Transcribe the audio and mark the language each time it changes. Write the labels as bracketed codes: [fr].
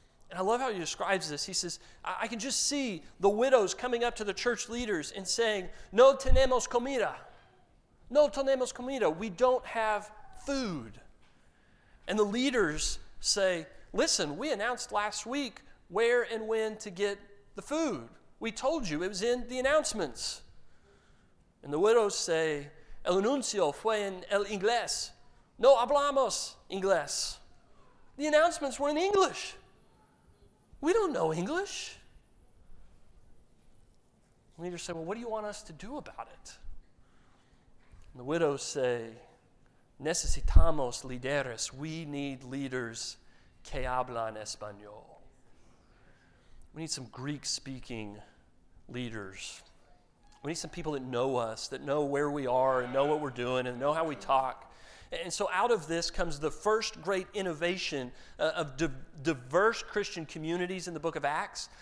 [en] And I love how he describes this. He says, I can just see the widows coming up to the church leaders and saying, [es] no tenemos comida. No tenemos comida. [en] We don't have food. And the leaders say, listen, we announced last week where and when to get the food. We told you, it was in the announcements. And the widows say, [es] el anuncio fue en el inglés. No hablamos inglés. [en] The announcements were in English. We don't know English. The leaders say, well, what do you want us to do about it? And the widows say, [es] necesitamos líderes. [en] We need leaders [es] que hablan español. [en] We need some Greek-speaking leaders. We need some people that know us, that know where we are and know what we're doing and know how we talk. And so out of this comes the first great innovation of diverse Christian communities in the book of Acts.